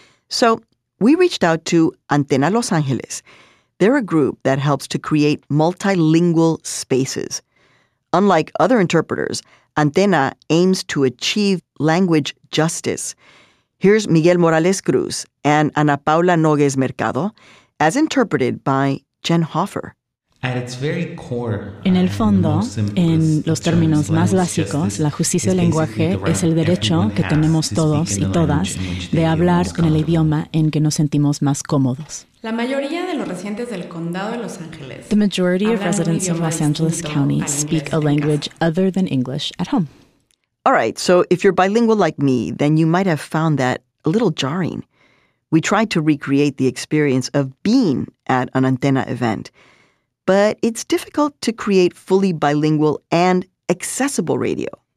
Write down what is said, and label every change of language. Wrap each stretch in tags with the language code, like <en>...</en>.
<en>So we reached out to Antena Los Angeles. They're a group that helps to create multilingual spaces. Unlike other interpreters, Antena aims to achieve language justice. Here's Miguel Morales Cruz and Ana Paula Nogues Mercado, as interpreted by Jen Hoffer. At its very core,</en> <es>en el fondo, en los términos más básicos, la justicia del lenguaje es el derecho que tenemos todos y todas de hablar en el idioma en que nos sentimos más cómodos. La mayoría de los residentes del condado de Los Ángeles.</es> <en>The majority of residents of Los Angeles County speak a language other than English at home. All right, so if you're bilingual like me, then you might have found that a little jarring. We tried to recreate the experience of being at an Antena event, but it's difficult to create fully bilingual and accessible radio.</en>